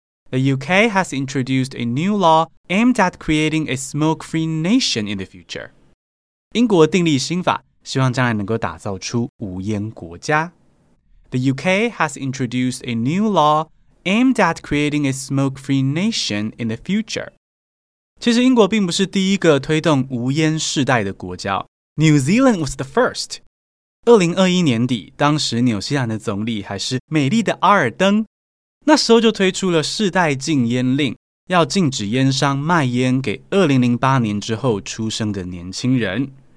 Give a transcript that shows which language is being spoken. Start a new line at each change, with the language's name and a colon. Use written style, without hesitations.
English: The UK has introduced a new law aimed at creating a smoke-free nation in the future.
Chinese: 英国订立新法，希望将来能够打造出无烟国家。
English: The UK has introduced a new law aimed at creating a smoke-free nation in the future.
Chinese: 其实英国并不是第一个推动无烟世代的国家。
English: New Zealand was the first.
Chinese: 2021年底，当时纽西兰的总理还是美丽的阿尔登，那时候就推出了世代禁烟令，要禁止烟商卖烟给2008年之后出生的年轻人。